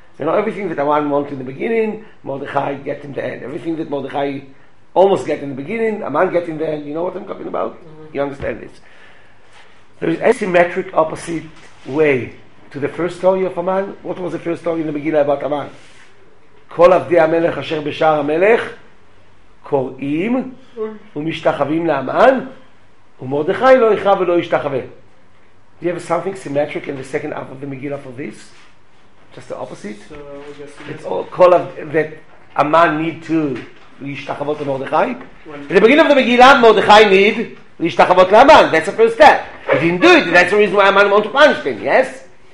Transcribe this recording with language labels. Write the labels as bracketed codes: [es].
[en] You know, everything that Aman wants in the beginning, Mordechai get in the end. Everything that Mordechai almost get in the beginning, Aman get in the end. You know what I'm talking about? Mm-hmm. You understand this. There is a symmetric, opposite way to the first story of Aman. What was the first story in the Megillah about Aman? [he] Kol avdei ha-melech asher b'shar ha-melech. קוראים ומשתחווים לאמן ומרדכי לא יכרע ולא ישתחווה. [en] Do you have something symmetric in the second half of the Megillah for this? Just the opposite? So, all, call of, that Aman need to להשתחוות למרדכי? In the beginning of the Megillah, מרדכי need להשתחוות לאמן. That's the first step. He didn't do it. That's the reason why Aman wants to punish him, yes?